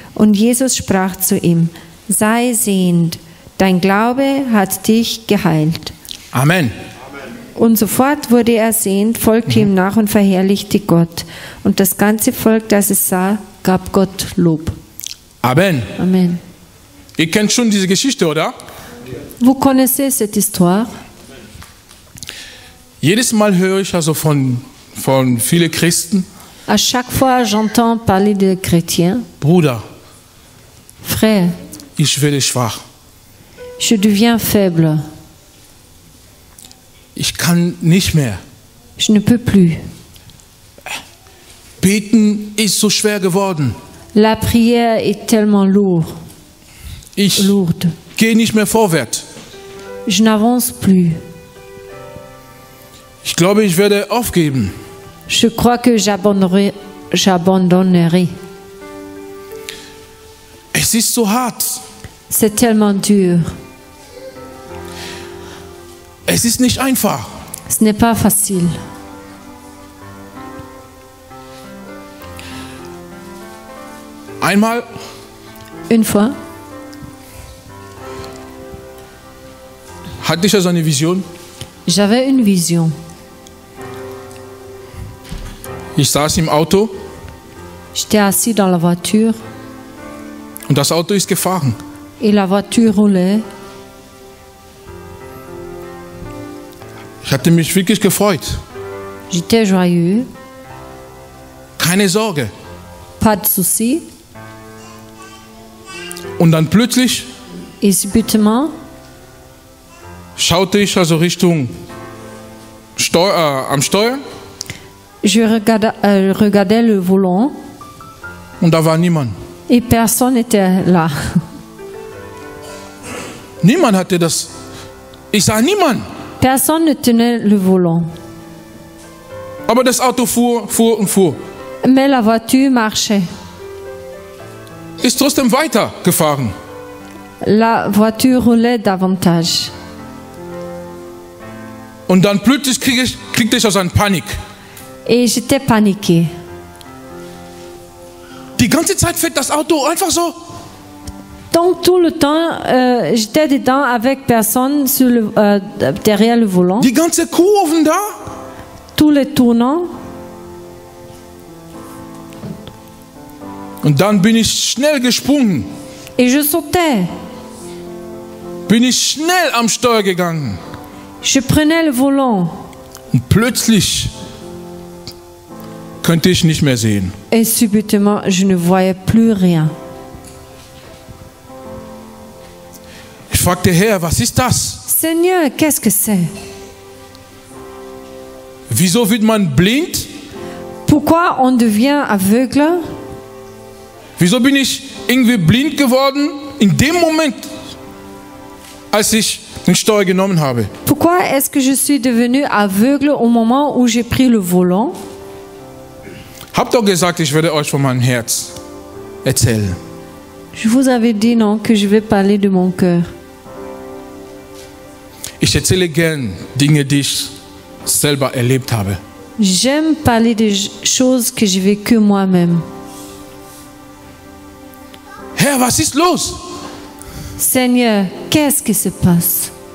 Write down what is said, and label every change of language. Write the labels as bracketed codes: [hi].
[de] Und Jesus sprach zu ihm, sei sehend, dein Glaube hat dich geheilt. Amen. Und sofort wurde er sehend, folgte ihm nach und verherrlichte Gott. Und das ganze Volk, das es sah, gab Gott Lob. Amen. Amen. Ihr kennt schon diese Geschichte, oder? [fr] Vous connaissez cette histoire? [de] Jedes Mal höre ich also von vielen Christen, [fr] à chaque fois, j'entends parler de chrétiens. [de] Bruder, [fr] frère, [de] ich werde schwach. [fr] Je deviens faible. [de] Ich kann nicht mehr. [fr] Je ne peux plus. [de] Beten ist so schwer geworden. [fr] La prière est tellement lourde. [de] Ich gehe nicht mehr vorwärts. [fr] Je n'avance plus. [de] Ich glaube, ich werde aufgeben. [fr] Je crois que j'abandonnerai. [de] Es ist so hart. [fr] C'est tellement dur. [de] Es ist nicht einfach. [fr] Ce n'est pas facile. [de] Einmal. [fr] Une fois. [de] Hatte ich also eine Vision? [fr] J'avais une vision. [de] Ich saß im Auto. [fr] J'étais assis dans la voiture. [de] Und das Auto ist gefahren. [fr] Et la voiture roulait. [de] Ich hatte mich wirklich gefreut. [fr] J'étais joyeux. [de] Keine Sorge. [fr] Pas de souci. [de] Und dann plötzlich. [fr] Et subitement. [de] Schaute ich also Richtung am Steuer. [fr] Je regardais le volant. [de] Und da war niemand. [fr] Et personne n'était là. [de] Niemand hatte das. Ich sah niemand. [fr] Personne ne tenait le volant. [de] Aber das Auto fuhr, fuhr und fuhr. [fr] Mais la voiture marchait. [de] Ist trotzdem weitergefahren. [fr] La voiture roulait davantage. [de] Und dann plötzlich kriegte ich also eine Panik. [fr] Et j'étais paniqué. [de] Die ganze Zeit fährt das Auto einfach so. [fr] Donc tout le temps, j'étais dedans avec personne sur le, derrière le volant. [de] Die ganze Kurven da. [fr] Tous les tournants. [de] Und dann bin ich schnell gesprungen. [fr] Et je sautais. [de] Bin ich schnell am Steuer gegangen. [fr] Je prenais le volant. [de] Und plötzlich könnte ich nicht mehr sehen. [fr] Et subitement, je ne voyais plus rien. [de] Ich fragte Herr, was ist das? [fr] Seigneur, qu'est-ce que c'est? [de] Wieso wird man blind? [fr] Pourquoi on devient aveugle? [de] Wieso bin ich irgendwie blind geworden in dem Moment, als ich den Steuer genommen habe? [fr] Pourquoi est-ce que je suis devenu aveugle au moment où j'ai pris le volant? [de] Hab doch gesagt, ich werde euch von meinem Herz erzählen. [fr] Je vous avais dit non que je vais parler de mon cœur. [de] Ich erzähle gern Dinge, die ich selber erlebt habe. [fr] J'aime parler des choses que j'ai vécues moi-même. [de] Herr, was ist los? [fr] Seigneur, qu'est-ce qui se passe?